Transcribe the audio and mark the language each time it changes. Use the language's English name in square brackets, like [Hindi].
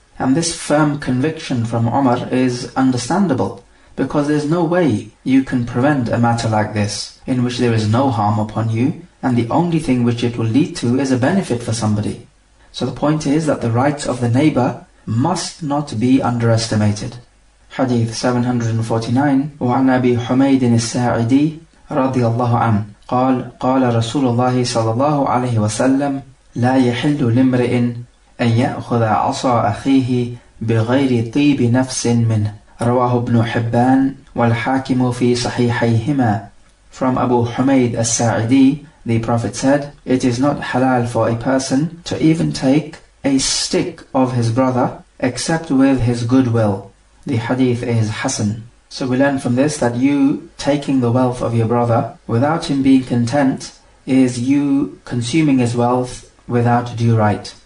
[English] And this firm conviction from Umar is understandable, because there's no way you can prevent a matter like this, in which there is no harm upon you, and the only thing which it will lead to is a benefit for somebody. So the point is that the rights of the neighbor must not be underestimated. Hadith 749, [Arabic] وعن أبي حميد الساعدي رضي الله عنه قال قال رسول الله صلى الله عليه وسلم لا يحل لامرئ أن يأخذ عصا أخيه بغير طيب نفس منه رواه ابن حبان والحاكم في صحيحيهما. [English] From Abu Humayd al-Sa'idi, the Prophet said, it is not halal for a person to even take a stick of his brother except with his goodwill. The hadith is Hasan. So we learn from this that you taking the wealth of your brother without him being content is you consuming his wealth without due right.